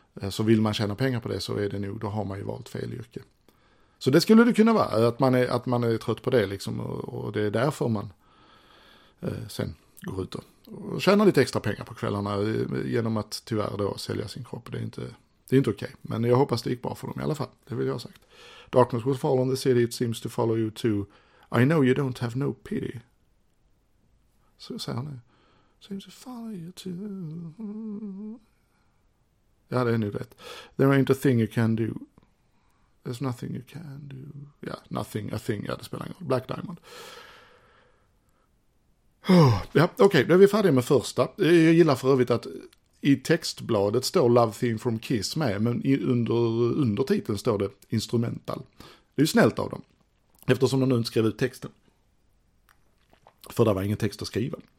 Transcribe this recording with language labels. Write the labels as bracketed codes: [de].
[sv] Så vill man tjäna pengar på det så är det nog, då har man ju valt fel yrke. Så det skulle det kunna vara, att man är trött på det liksom, och det är därför man sen går ut och tjänar lite extra pengar på kvällarna genom att tyvärr då sälja sin kropp. Det är inte okej, men jag hoppas det gick bra för dem i alla fall, det vill jag ha sagt. [en] Darkness will fall on the city, it seems to follow you too. I know you don't have no pity. [sv] Så säger han nu. [en] Seems to follow you too. [sv] Ja, det är nu rätt. [en] There ain't a thing you can do. There's nothing you can do. Yeah, nothing, a thing. [sv] Ja, det spelar ingen roll. Black Diamond. Ja, okej, okay, då är vi färdiga med första. Jag gillar för övrigt att i textbladet står Love Theme from Kiss med, men under titeln står det Instrumental. Det är ju snällt av dem, eftersom de nu inte skrev ut texten. För det var ingen text att skriva.